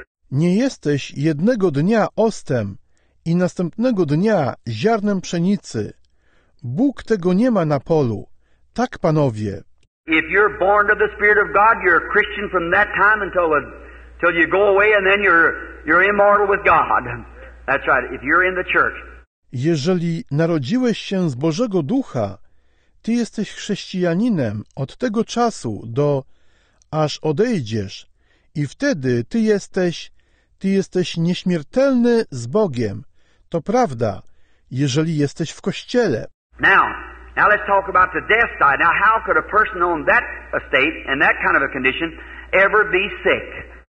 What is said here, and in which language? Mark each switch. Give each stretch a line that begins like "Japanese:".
Polish: Nie jesteś jednego dnia ostem i następnego dnia ziarnem pszenicy. Bóg tego nie ma na polu. Tak, panowie.
English: If you're born of the Spirit of God, you're a Christian from that time until you go away, and then you're immortal with God. That's right. If you're in the church.
Polish: Jeżeli narodziłeś się z Bożego Ducha, ty jesteś chrześcijaninem od tego czasu do aż odejdziesz, i wtedy ty jesteś nieśmiertelny z Bogiem. To prawda, jeżeli jesteś w kościele.
English: Now let's talk about the death side. Now how could a person on that estate and that kind of a condition ever be sick?